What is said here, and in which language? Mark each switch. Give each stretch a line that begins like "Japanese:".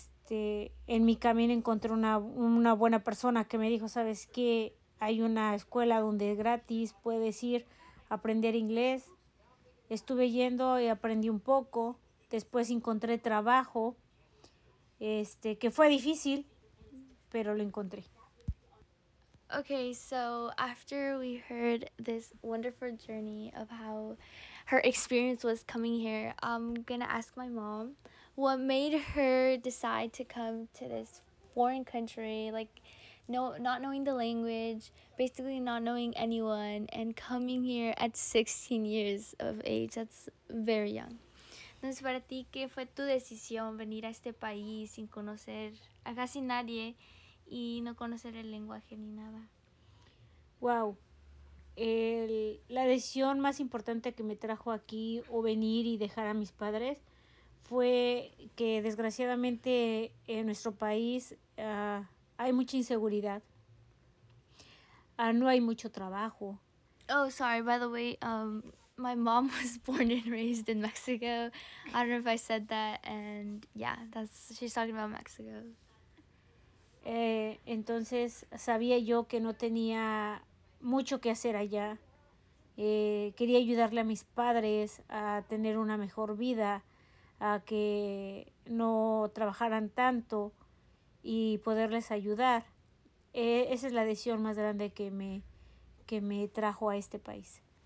Spanish: En mi camino encontré una buena persona que me dijo, ¿sabes qué? Hay una escuela donde es gratis, puedes ir a aprender inglés. Estuve yendo y aprendí un poco. Después encontré trabajo, que fue difícil, pero lo encontré.
English: Okay, so after we heard this wonderful journey of how her experience was coming here, I'm gonna ask my mom what made her decide to come to this foreign country, like not knowing the language, basically not knowing anyone, and coming here at 16 years of age. That's very young.
Spanish: Entonces, para ti, ¿qué fue tu decisión venir a este país sin conocer a casi nadie y no conocer el lenguaje ni nada?
English: Wow.
Spanish: La decisión más importante que me trajo aquí o venir y dejar a mis padres fue que desgraciadamente en nuestro país hay mucha inseguridad. No hay mucho trabajo.
English: Oh, sorry, by the way, my mom was born and raised in Mexico. I don't know if I said that, and yeah, she's talking about Mexico.
Spanish: Entonces sabía yo que no tenía mucho que hacer allá. Quería ayudarle a mis padres a tener una mejor vida, a que no trabajaran tanto y poderles ayudar. Esa es la decisión más grande que me trajo a este país.